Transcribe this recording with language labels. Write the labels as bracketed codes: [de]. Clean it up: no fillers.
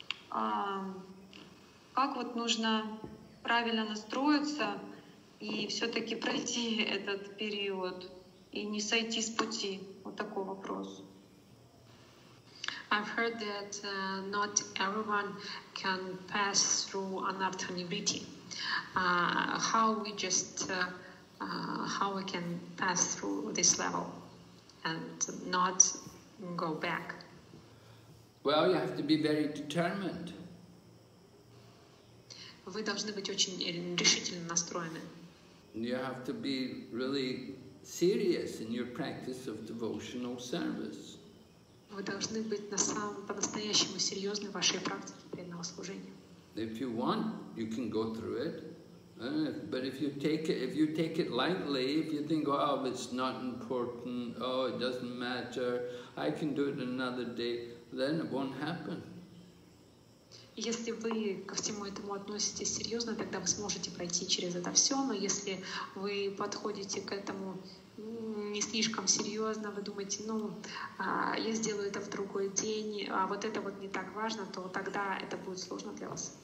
[ru] как вот нужно правильно настроиться и все-таки пройти этот период и не сойти с пути? Вот такой вопрос. [en] I've heard that not everyone can pass through anartha nivritti. How we can pass through this level and not go back? Well, you have to be very determined. [ru] Вы должны быть очень решительно настроены. [en] You have to be really serious in your practice of devotional service. [ru] Вы должны быть по-настоящему серьезны в вашей практике преданного служения. [en] If you want, you can go through it. But if you take it lightly, if you think, oh, it's not important, oh, it doesn't matter, I can do it another day, then it won't happen. [ru] Если вы ко всему этому относитесь серьезно, тогда вы сможете пройти через это все. Но если вы подходите к этому не слишком серьезно, вы думаете, я сделаю это в другой день, а вот это вот не так важно, то тогда это будет сложно для вас.